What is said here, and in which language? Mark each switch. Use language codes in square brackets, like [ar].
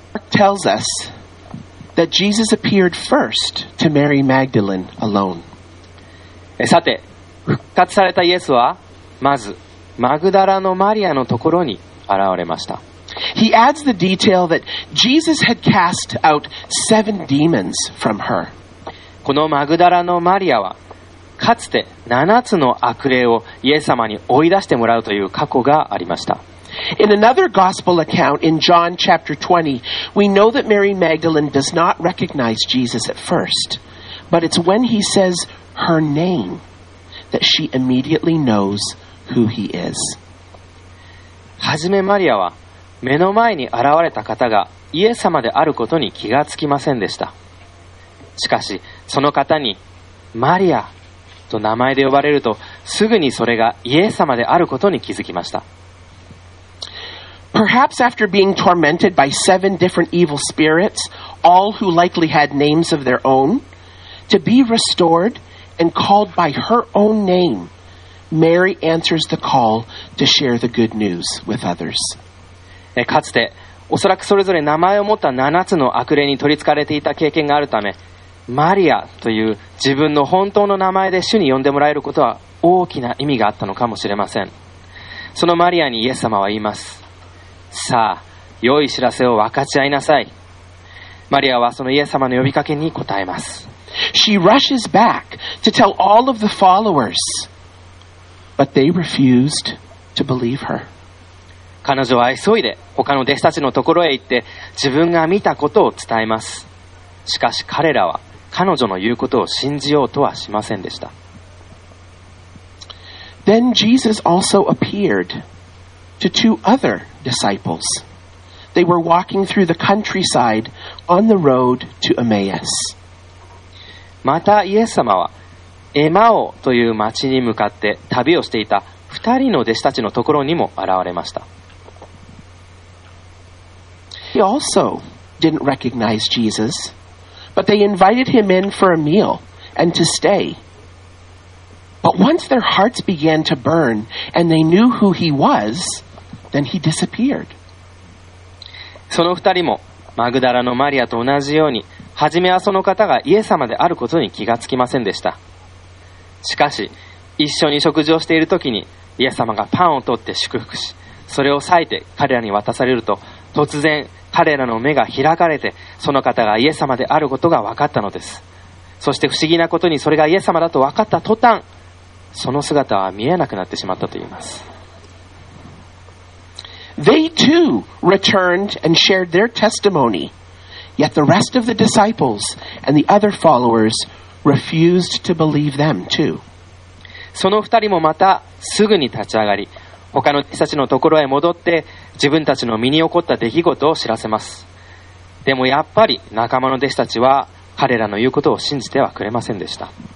[en] tells us that Jesus appeared first to Mary Magdalene alone. [ja] さて、復活されたイエスはまずマグダラのマリアのところに現れました。 [en] He adds the detail that Jesus had cast out seven demons from her. [ja] このマグダラのマリアはかつて7つの悪霊をイエス様に追い出してもらうという過去がありました。 [en] In another gospel account in John chapter 20, we know that Mary Magdalene does not recognize Jesus at first, but it's when he says her name that she immediately knows who he is. [ja] はじめマリアは目の前に現れた方がイエス様であることに気がつきませんでした。しかしその方にマリアと名前で呼ばれるとすぐにそれがイエス様であることに気づきました。 [en] Perhaps after being tormented by seven different evil spirits, all who likely had names of their own, to be restored and called by her own name, Mary answers the call to share the good news with others. [ja] かつておそらくそれぞれ名前を持った七つの悪霊に取り憑かれていた経験があるため、マリアという自分の本当の名前で主に呼んでもらえることは大きな意味があったのかもしれません。そのマリアにイエス様は言います。さあ、良い知らせを分かち合いなさい。マリアはそのイエス様の呼びかけに答えます。 [en] She rushes back to tell all of the followers, but they refused to believe her. [ja] 彼女は急いで他の弟子たちのところへ行って自分が見たことを伝えます。しかし彼らは彼女の言うことを信じようとはしませんでした。 [en] Then Jesus also appeared. To two other disciples. They were walking through the countryside on the road to Emmaus. [ja] またイエス様はエマオという町に向かって旅をしていた二人の弟子たちのところにも現れました。 [en] He also didn't recognize Jesus, but they invited him in for a meal and to stay. But once their hearts began to burn and they knew who he was,Then he disappeared. [ja] その二人もマグダラのマリアと同じように、初めはその方がイエス様であることに気がつきませんでした。しかし、一緒に食事をしているときに、イエス様がパンを取って祝福し、それを裂いて彼らに渡されると、突然彼らの目が開かれて、その方がイエス様であることが分かったのです。そして不思議なことに、それがイエス様だと分かった途端、その姿は見えなくなってしまったと言います。 [en] They too returned and shared their testimony, yet the rest of the disciples and the other followers refused to believe them too. [ja] その二人もまたすぐに立ち上がり、他の弟子たちのところへ戻って自分たちの身に起こった出来事を知らせます。でもやっぱり仲間の弟子たちは彼らの言うことを信じてはくれませんでした。